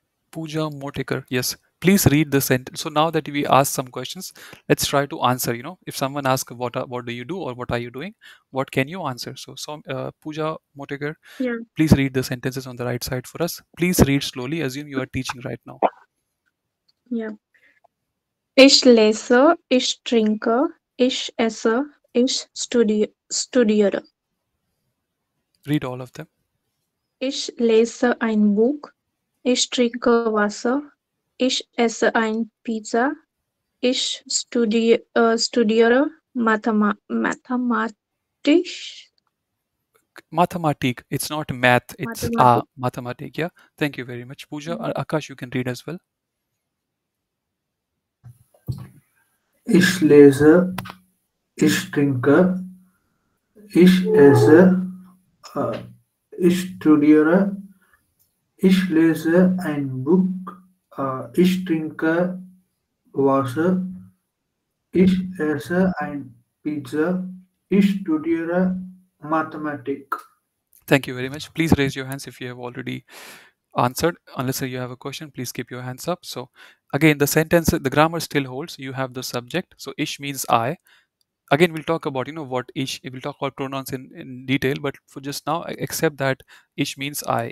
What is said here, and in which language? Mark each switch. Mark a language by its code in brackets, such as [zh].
[en] Pooja Motikar, yes. Please read the sentence. So now that we asked some questions, let's try to answer, you know. If someone asks, what do you do or what are you doing? What can you answer? So Pooja Motikar, yeah. Please read the sentences on the right side for us. Please read slowly. Assume you are teaching right now. Yeah. [de] Ich lese, ich trinke, ich esse, ich studiere. [en] Read all of them. [de] Ich lese ein Buch, ich trinke Wasser, ich esse ein Pizza, ich studiere Mathematik. [en] It's not math, it's Mathematik. Yeah. Thank you very much, Pooja. Mm-hmm. Akash, you can read as well. [de] Ich lese, ich trinke, ich esse, ich studiere, ich lese ein Buch, ich trinke Wasser, ich esse ein Pizza, ich studiere Mathematik. [en] Thank you very much. Please raise your hands if you have already answered. Unless you have a question, please keep your hands up. So again, the sentence, the grammar still holds. You have the subject. So ish means I. Again, we'll talk about, you know, what ish, we'll talk about pronouns in detail, but for just now, accept that ish means I.